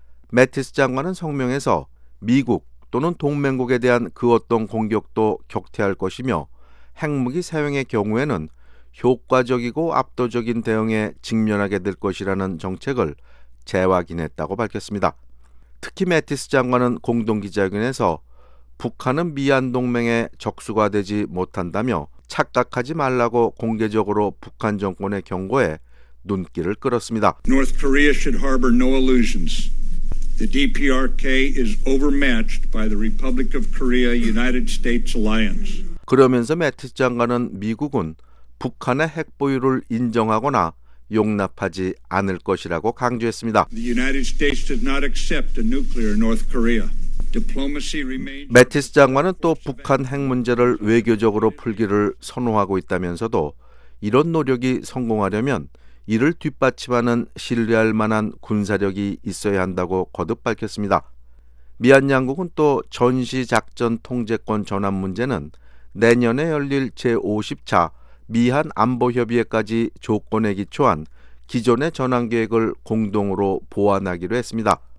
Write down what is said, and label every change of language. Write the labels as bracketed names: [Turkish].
[Korean] 매티스 장관은 성명에서 미국 또는 동맹국에 대한 그 어떤 공격도 격퇴할 것이며 핵무기 사용의 경우에는 효과적이고 압도적인 대응에 직면하게 될 것이라는 정책을 재확인했다고 밝혔습니다. 특히 매티스 장관은 공동기자회견에서 북한은 미한 동맹의 적수가 되지 못한다며 착각하지 말라고 공개적으로 북한 정권의 경고에 눈길을 끌었습니다. [English] North Korea should harbor no illusions. The DPRK is overmatched by the Republic of Korea United States alliance. [Korean] 그러면서 매티스 장관은 미국은 북한의 핵 보유를 인정하거나 용납하지 않을 것이라고 강조했습니다. [English] The United States does not accept a nuclear North Korea. [Korean] 매티스 장관은 또 북한 핵 문제를 외교적으로 풀기를 선호하고 있다면서도 이런 노력이 성공하려면 이를 뒷받침하는 신뢰할 만한 군사력이 있어야 한다고 거듭 밝혔습니다. 미한 양국은 또 전시작전 통제권 전환 문제는 내년에 열릴 제50차 미한 안보협의회까지 조건에 기초한 기존의 전환계획을 공동으로 보완하기로 했습니다.